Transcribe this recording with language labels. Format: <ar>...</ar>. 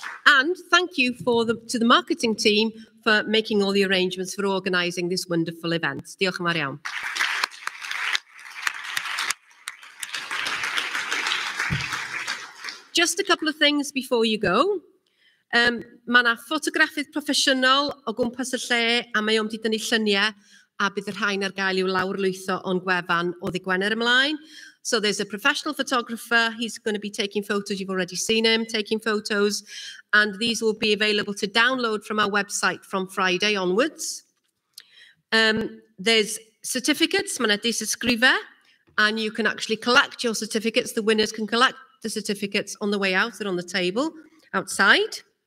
<en>And thank you to the marketing team for making all the arrangements for organising this wonderful event.</en> <cy>Diolch yn fawr iawn.</cy> <en>Just a couple of things before you go.</en> <cy>Mae yna ffotograffydd proffesiynol o gwmpas y lle a mae o'n dydynnu lluniau a bydd y rhain ar gael i'w lawrlwytho o'n gwefan o ddigwener ymlaen.</cy> <en>So there's a professional photographer, he's going to be taking photos, you've already seen him taking photos, and these will be available to download from our website from Friday onwards. There's certificates,</en> <cy>mae yna disysgrifau,</cy> <en>and you can actually collect your certificates, the winners can collect the certificates on the way out, they're on the table outside.</en>